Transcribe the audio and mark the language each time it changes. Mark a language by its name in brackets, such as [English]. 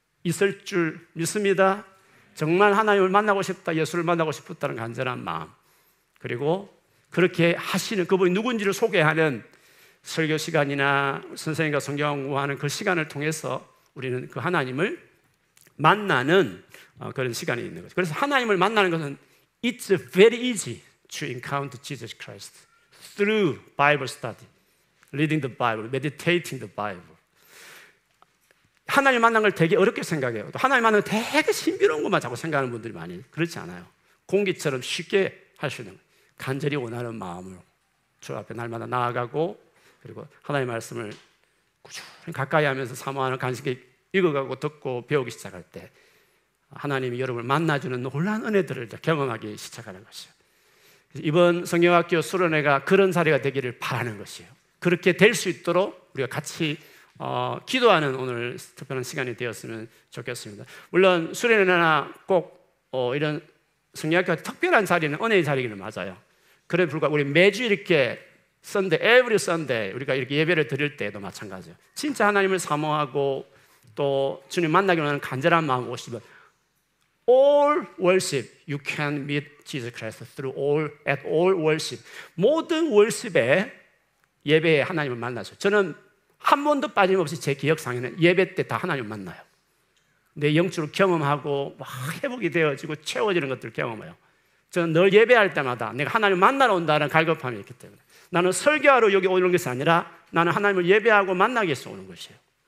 [Korean] 있을 줄 믿습니다. 정말 하나님을 만나고 싶다, 예수를 만나고 싶었다는 간절한 마음, 그리고 그렇게 하시는 그분이 누군지를 소개하는 설교 시간이나 선생님과 성경 공부하는 그 시간을 통해서 우리는 그 하나님을 만나는 그런 시간이 있는 거죠. 그래서 하나님을 만나는 것은 [English] It's very easy to encounter Jesus Christ through Bible study, reading the Bible, meditating the Bible. [Korean] 하나님 만난 걸 되게 어렵게 생각해요. 또 하나님 만난 걸 되게 신비로운 것만 자꾸 생각하는 분들이 많이, 그렇지 않아요. 공기처럼 쉽게 할 수 있는 거예요. 간절히 원하는 마음으로 주 앞에 날마다 나아가고 그리고 하나님의 말씀을 꾸준히 가까이 하면서 사모하는 간식이 읽어가고 듣고 배우기 시작할 때 하나님이 여러분을 만나주는 놀란 은혜들을 경험하기 시작하는 것이에요. 이번 성경학교 수련회가 그런 자리가 되기를 바라는 것이에요. 그렇게 될 수 있도록 우리가 같이 기도하는 오늘 특별한 시간이 되었으면 좋겠습니다. 물론 수련회나 꼭 이런 성경학교 특별한 자리는 은혜의 자리기는 맞아요. 그럼 불구하고 우리 매주 이렇게 [English] Sunday, every Sunday [Korean] 우리가 이렇게 예배를 드릴 때에도 마찬가지예요. 진짜 하나님을 사모하고 또 주님 만나기 원하는 간절한 마음 오시면 [English] All worship, you can meet Jesus Christ through all, at all worship. [Korean] 모든 worship에 예배에 하나님을 만나죠. 저는 한 번도 빠짐없이 제 기억상에는 예배 때 다 하나님을 만나요. 내 영적으로 경험하고 막 회복이 되어지고 채워지는 것들을 경험해요. 저는 늘 예배할 때마다 내가 하나님을 만나러 온다는 갈급함이 있기 때문에 나는 설교하러 여기 오는 것이 아니라 나는 하나님을 예배하고 만나기 위해서 오는 것이에요.